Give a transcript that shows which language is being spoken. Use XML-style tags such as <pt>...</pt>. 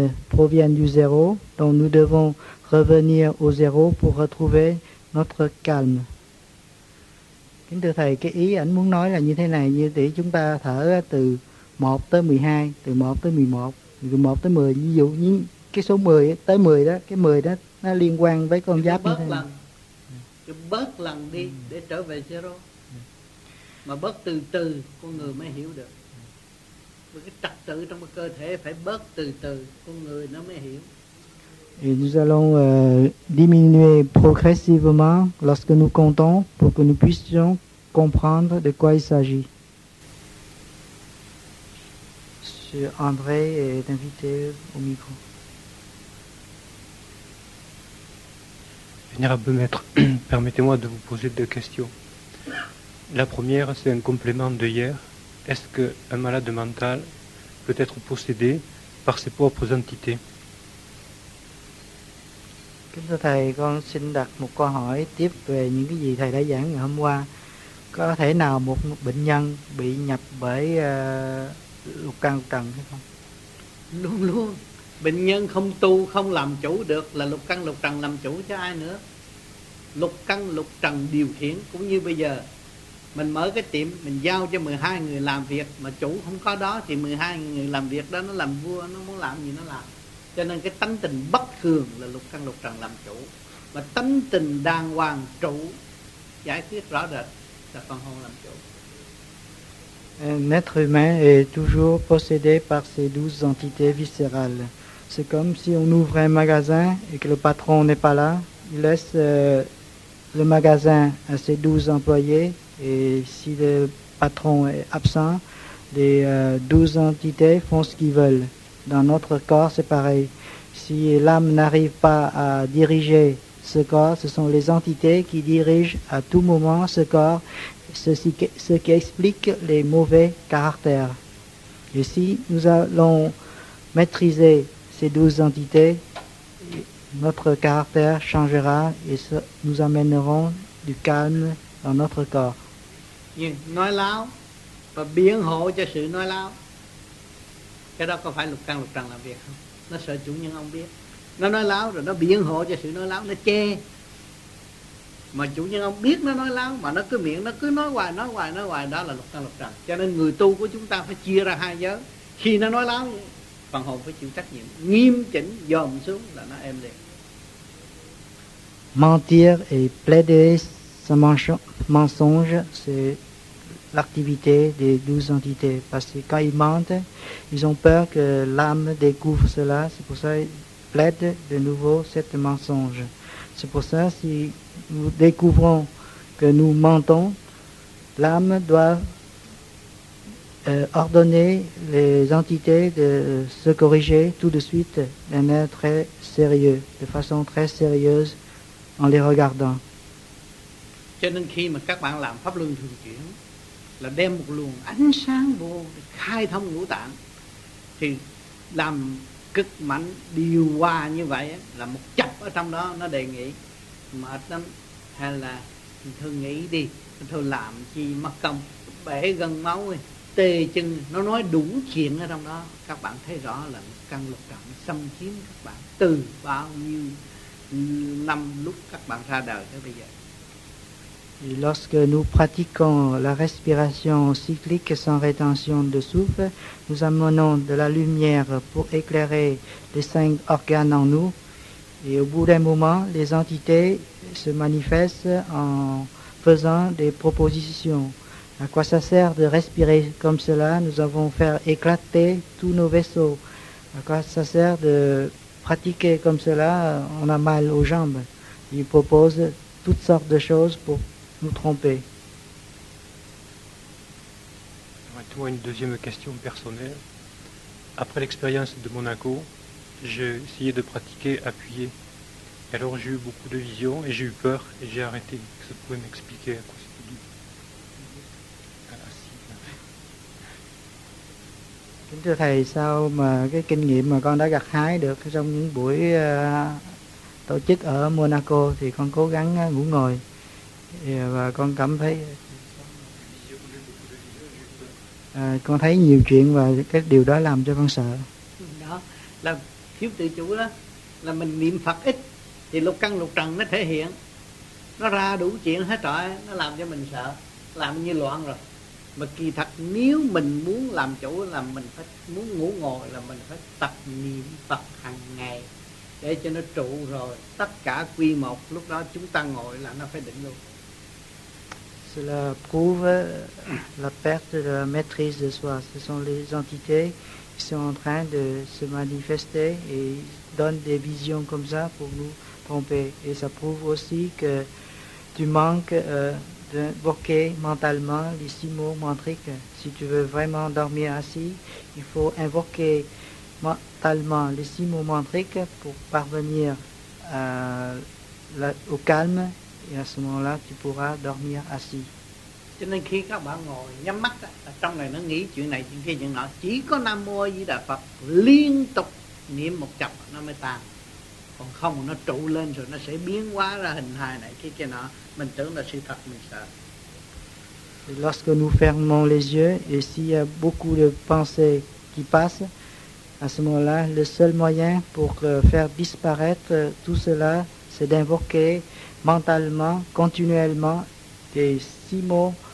<fr>Proviennent du zéro, donc nous devons revenir au zéro pour retrouver notre calme.</fr> <vi>Kính thưa thầy, cái ý ảnh muốn nói là như thế này, như để chúng ta thở từ 1 tới 12, từ 1 tới 11, từ 1 tới 10, ví dụ như cái số 10 tới 10 đó, cái 10 đó nó liên quan với con giáp như thế này. Cứ bớt lần đi để trở về zero. Mà bớt từ từ con người mới hiểu được. Mà cái trật tự trong cơ thể phải bớt từ từ con người nó mới hiểu.</vi> <fr>Et nous allons diminuer progressivement lorsque nous comptons pour que nous puissions comprendre de quoi il s'agit. Monsieur André est invité au micro. Vénérable maître, permettez-moi de vous poser 2 questions. La première, c'est un complément de hier. Est-ce qu'un malade mental peut être possédé par ses propres entités?</fr> <vi>Kính thưa thầy, con xin đặt một câu hỏi tiếp về những cái gì thầy đã giảng ngày hôm qua. Có thể nào một bệnh nhân bị nhập bởi lục căn lục trần hay không? Luôn luôn. Bệnh nhân không tu, không làm chủ được là lục căn lục trần làm chủ cho ai nữa? Lục căn lục trần điều khiển, cũng như bây giờ mình mở cái tiệm, mình giao cho 12 người làm việc, mà chủ không có đó thì 12 người làm việc đó nó làm vua, nó muốn làm gì nó làm. Cho nên cái tánh tình bất thường là lục căn lục trần làm chủ, mà tánh tình đàng hoàng trụ giải quyết rõ rệt là con hồn làm chủ.</vi> <fr>Un être humain est toujours possédé par ces 12 entités viscérales. C'est comme si on ouvrait un magasin et que le patron n'est pas là. Il laisse le magasin à ses 12 employés et si le patron est absent, les 12 entités font ce qu'ils veulent. Dans notre corps, c'est pareil. Si l'âme n'arrive pas à diriger ce corps, ce sont les entités qui dirigent à tout moment ce corps. Ce qui explique les mauvais caractères. Et si nous allons maîtriser ces 12 entités, notre caractère changera et nous amènerons du calme dans notre corps.</fr> <vi>Nói láo và biện hộ cho sự nói láo. Cái đó có phải lục căn lục trần làm việc không? Nó sợ chủ nhân ông biết. Nó nói láo rồi nó biện hộ cho sự nói láo, nó che. Mà chủ nhân ông biết nó nói láo, mà nó cứ miệng, nó cứ nói hoài, đó là lục căn lục trần. Cho nên người tu của chúng ta phải chia ra hai giới. Khi nó nói láo, phần hồn phải chịu trách nhiệm, nghiêm chỉnh, dòm xuống là nó êm liền.</vi> <fr>Mentir et plaider ce mensonge, c'est l'activité des 12 entités. Parce que quand ils mentent, ils ont peur que l'âme découvre cela, c'est pour ça qu'ils plaident de nouveau cette mensonge. C'est pour ça, si nous découvrons que nous mentons, l'âme doit ordonner les entités de se corriger tout de suite d'un air très sérieux, de façon très sérieuse en les regardant.</fr> <vi>Cho nên khi mà các bạn làm pháp luân thường chuyển, là đem một luồng ánh sáng vô để khai thông ngũ tạng, thì làm cực mạnh điều hòa như vậy là một chấp ở trong đó nó đề nghị mệt lắm, hay là thôi nghỉ đi, thôi làm chi mất công, bể gân máu tê chân, nó nói đủ chuyện ở trong đó. Các bạn thấy rõ là căn lục trần xâm chiếm các bạn từ bao nhiêu năm lúc các bạn ra đời tới bây giờ.</vi> <fr>Et lorsque nous pratiquons la respiration cyclique sans rétention de souffle, nous amenons de la lumière pour éclairer les 5 organes en nous. Et au bout d'un moment, les entités se manifestent en faisant des propositions. À quoi ça sert de respirer comme cela? Nous avons fait éclater tous nos vaisseaux. À quoi ça sert de pratiquer comme cela? On a mal aux jambes. Ils proposent toutes sortes de choses pour nous tromper. Permettez-moi une deuxième question personnelle. Après l'expérience de Monaco, j'ai essayé de pratiquer appuyé. Alors j'ai eu beaucoup de visions et j'ai eu peur et j'ai arrêté. Est-ce que vous pouvez m'expliquer à quoi c'est dû?</fr> <vi>Kính thưa thầy, sao mà cái kinh nghiệm mà con đã gặt hái được trong những buổi tổ chức ở Monaco thì con cố gắng ngủ ngồi. Và con cảm thấy con thấy nhiều chuyện và cái điều đó làm cho con sợ. Đó là thiếu tự chủ đó, là mình niệm Phật ít thì lục căn lục trần nó thể hiện, nó ra đủ chuyện hết trọi, nó làm cho mình sợ, làm như loạn rồi. Mà kỳ thật nếu mình muốn làm chủ là mình phải muốn ngủ ngồi, là mình phải tập niệm Phật hàng ngày để cho nó trụ, rồi tất cả quy một, lúc đó chúng ta ngồi là nó phải định luôn.</vi> <fr>Cela prouve la perte de la maîtrise de soi. Ce sont les entités qui sont en train de se manifester et donnent des visions comme ça pour nous tromper. Et ça prouve aussi que tu manques d'invoquer mentalement les 6 mots mantriques. Si tu veux vraiment dormir assis, il faut invoquer mentalement les 6 mots mantriques pour parvenir au calme. Et à ce moment-là, tu pourras dormir assis.</fr> <vi>Cho nên khi các bạn ngồi nhắm mắt á, trong này nó nghĩ chuyện này chuyện kia chuyện nọ, chỉ có Nam Mô A Di Đà Phật liên tục niệm một chập nó mới tan. Còn không nó trụ lên rồi nó sẽ biến hóa ra hình hài này kia kia nọ, mình tưởng là sự thật mình sợ.</vi> <fr>Et lorsque nous fermons les yeux et s'il y a beaucoup de pensées qui passent, à ce moment-là, le seul moyen pour faire disparaître tout cela, c'est d'invoquer mentalement, continuellement, des 6 mots</fr>